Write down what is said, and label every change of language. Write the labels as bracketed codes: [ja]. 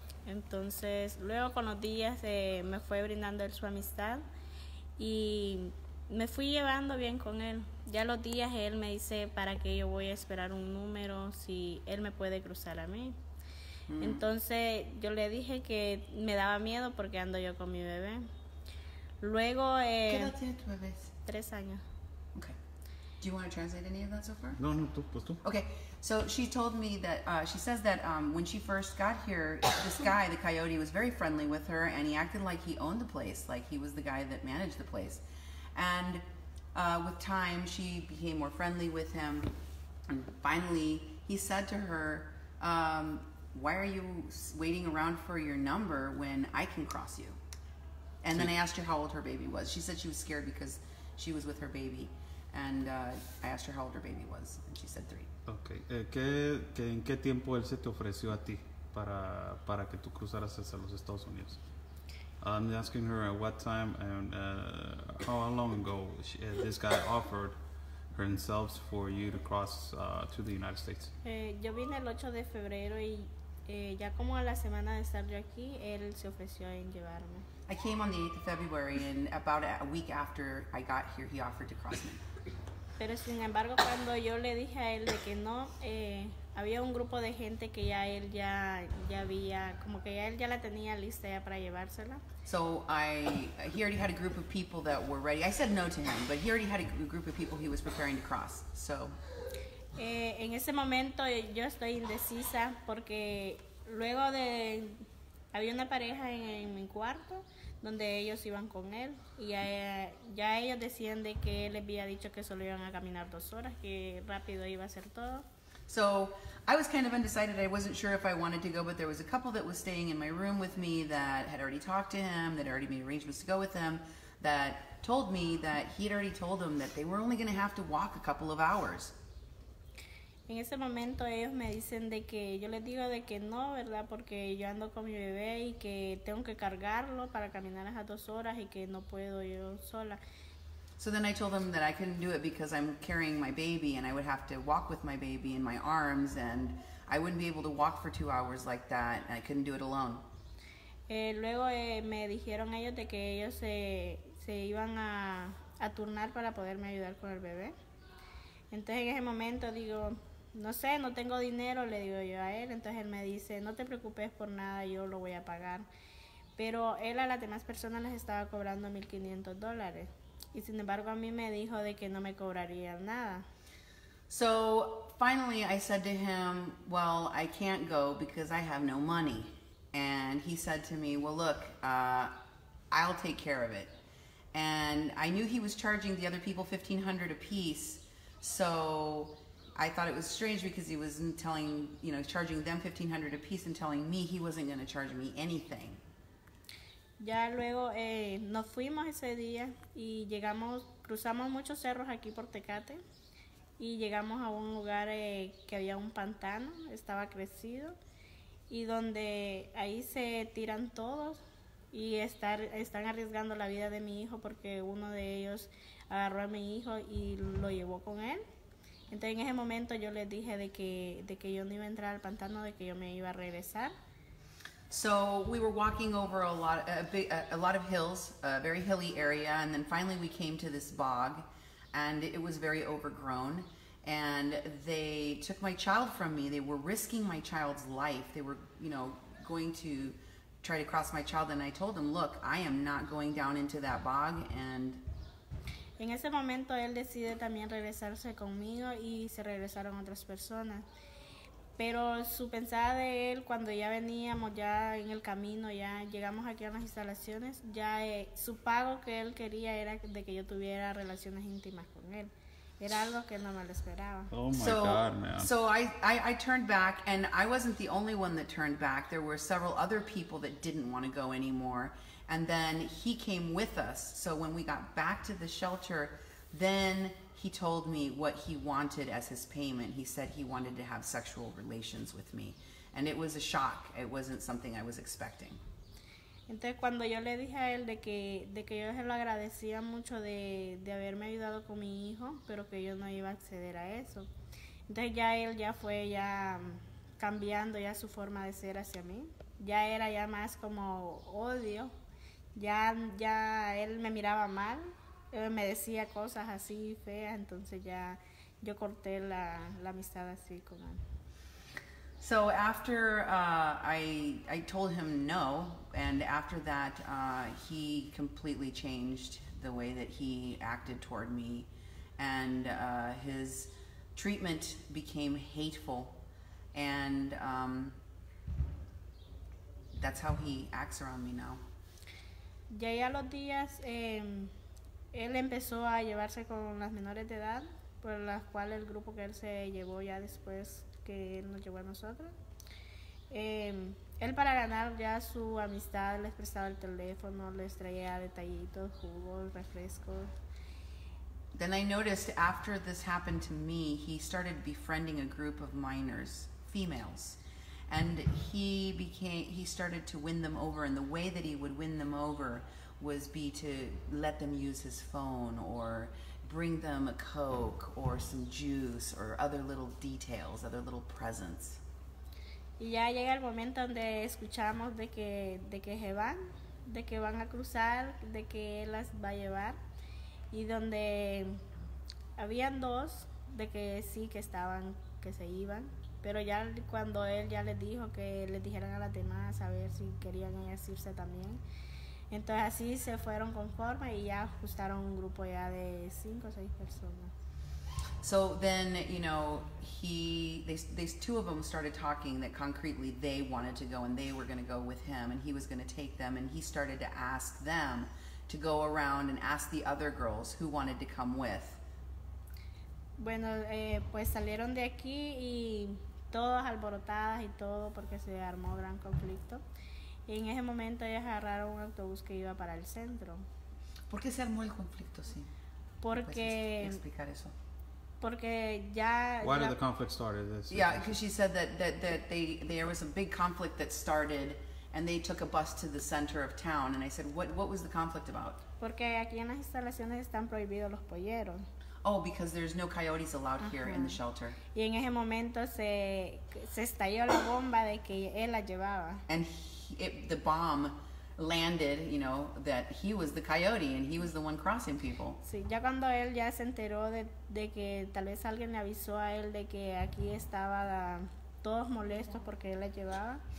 [es] Entonces, luego con los días me fue brindando él su amistad y me fui llevando bien con él. Ya los días él me dice para qué yo voy a esperar un número, si él me puede cruzar a mí. Entonces yo le dije que me daba miedo porque ando yo con mi bebé. Luego ¿qué edad tiene tu bebé? 3 años. [en] Okay. Do you want to translate any of that so far? [es] No, tú, pues tú. [en] Okay. So she told me that she says that when she first got here, this guy, the coyote, was very friendly with her and he acted like he owned the place, like he was the guy that managed the place. And with time, she became more friendly with him. And finally, he said to her, why are you waiting around for your number when I can cross you? And then I asked her how old her baby was. She said she was scared because she was with her baby. And I asked her how old her baby was. And she said 3. Okay. [es] ¿En qué tiempo él se te ofreció a ti para que tú cruzaras hasta los Estados Unidos? [en] I'm asking her at what time and how long ago this guy offered himself for you to cross to the United States. [es] Yo vine el 8 de febrero y ya como a la semana de estar yo aquí, él se ofreció en llevarme. [en] I came on the 8th of February and about a week after I got here, he offered to cross me. [es] Pero sin embargo, cuando yo le dije a él de que no, había un grupo de gente que ya él ya había, como que ya él ya la tenía lista ya para llevársela. [en] So he already had a group of people that were ready. I said no to him, but he already had a group of people he was preparing to cross, so. [es] En ese momento yo estoy indecisa porque luego de, había una pareja en mi cuarto donde ellos iban con él y ya ellos decían de que él les había dicho que solo iban a caminar 2 horas, que rápido iba a ser todo. [en] So I was kind of undecided. I wasn't sure if I wanted to go, but there was a couple that was staying in my room with me that had already talked to him, that already made arrangements to go with him, that told me that he had already told them that they were only going to have to walk a couple of hours. [es] En ese momento ellos me dicen de que yo les digo de que no, ¿verdad? Porque yo ando con mi bebé y que tengo que cargarlo para caminar esas 2 horas y que no puedo yo sola. [en] So then I told them that I couldn't do it because I'm carrying my baby and I would have to walk with my baby in my arms and I wouldn't be able to walk for 2 hours like that and I couldn't do it alone. [es] Luego me dijeron ellos de que ellos se iban a turnar para poderme ayudar con el bebé. Entonces en ese momento digo, no sé, no tengo dinero, le digo yo a él. Entonces él me dice, no te preocupes por nada, yo lo voy a pagar. Pero él a las demás personas les estaba cobrando $1,500. Y sin embargo a mí me dijo de que no me cobraría nada. [en] So finally I said to him, well, I can't go because I have no money. And he said to me, well, look, I'll take care of it. And I knew he was charging the other people $1,500 apiece. So I thought it was strange because he was telling, you know, charging them $1,500 apiece and telling me he wasn't going to charge me anything. [es] Ya luego nos fuimos ese día y cruzamos muchos cerros aquí por Tecate y llegamos a un lugar que había un pantano, estaba crecido y donde ahí se tiran todos y están arriesgando la vida de mi hijo porque uno de ellos agarró a mi hijo y lo llevó con él. Entonces en ese momento yo les dije de que yo no iba a entrar al pantano, de que yo me iba a regresar. [en] So we were walking over a lot of hills, a very hilly area, and then finally we came to this bog, and it was very overgrown. And they took my child from me. They were risking my child's life. They were, you know, going to try to cross my child. And I told them, look, I am not going down into that bog. And [es] en ese momento él decide también regresarse conmigo y se regresaron otras personas. Pero su pensada de él, cuando ya veníamos ya en el camino, ya llegamos aquí a las instalaciones, ya su pago que él quería era de que yo tuviera relaciones íntimas con él. Era algo que no me lo esperaba. [en] Oh, my God, man. So I turned back, and I wasn't the only one that turned back. There were several other people that didn't want to go anymore. And then he came with us. So when we got back to the shelter, then he told me what he wanted as his payment. He said he wanted to have sexual relations with me. And it was a shock. It wasn't something I was expecting. [es] Entonces, cuando yo le dije a él de que yo se lo agradecía mucho de haberme ayudado con mi hijo, pero que yo no iba a acceder a eso. Entonces, ya él ya fue ya cambiando ya su forma de ser hacia mí. Ya era ya más como odio. Ya él me miraba mal. Me decía cosas así feas, entonces ya yo corté la amistad así con él. [en] So after I told him no, and after that he completely changed the way that he acted toward me, and his treatment became hateful, and that's how he acts around me now. [es] Ya a los días él empezó a llevarse con las menores de edad, por las cuales el grupo que él se llevó ya después que él nos llevó a nosotros. Él para ganar ya su amistad les prestaba el teléfono, les traía detallitos, jugos, refrescos. [en] Then I noticed after this happened to me, he started befriending a group of minors, females. And he started to win them over, and the way that he would win them over was be to let them use his phone or bring them a Coke or some juice or other little details, other little presents. [es] Y ya llega el momento donde escuchamos de que se van, de que van a cruzar, de que él las va a llevar, y donde habían dos de que sí que estaban, que se iban, pero ya cuando él ya les dijo que les dijeran a las demás a ver si querían ellas irse también. Entonces así se fueron conforme y ya ajustaron un grupo ya de 5 o 6 personas. [en] So then, you know, these two of them started talking that concretely they wanted to go and they were going to go with him and he was going to take them, and he started to ask them to go around and ask the other girls who wanted to come with. [es] Bueno, pues salieron de aquí y todas alborotadas y todo porque se armó gran conflicto. Y en ese momento ellas agarraron un autobús que iba para el centro. ¿Por qué se armó el conflicto, sí? Porque... ¿Puedes explicar eso? Porque ya... [en] Why did the conflict start? Yeah, because she said that there was a big conflict that started and they took a bus to the center of town. And I said, what was the conflict about? [es] Porque aquí en las instalaciones están prohibidos los polleros. [en] Oh, because there's no coyotes allowed here in the shelter. [es] Y en ese momento se estalló la bomba de que él la llevaba. [en] And the bomb landed, you know, that he was the coyote and he was the one crossing people. [es] Sí, ya cuando él ya se enteró de que tal vez alguien le avisó a él de que aquí estaba todos molestos porque él la llevaba.